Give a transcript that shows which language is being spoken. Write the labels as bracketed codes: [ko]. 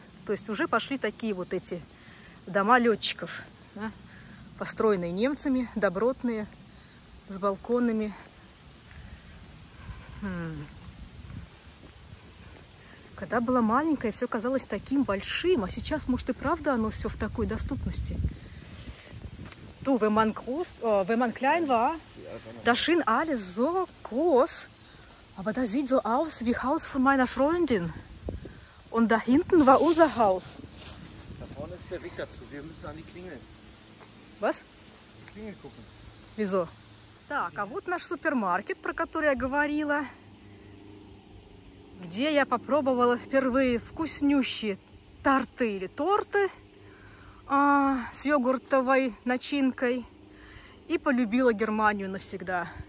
[ru] То есть уже пошли такие вот эти дома летчиков, да? Построенные немцами, добротные, с балконами. Когда была маленькая, все казалось таким большим, а сейчас, может, и правда оно все в такой доступности. [de] Du, wenn man klein war, da schien alles so groß, aber das sieht so aus wie Haus von meiner Freundin. Und da hinten war unser Haus. Da vorne ist der Weg dazu, wir müssen an die Klingel. Was? Die Klingel gucken. Wieso? [ru] Так, а вот наш супермаркет, про который я говорила, где я попробовала впервые вкуснющие тарты или торты с йогуртовой начинкой и полюбила Германию навсегда.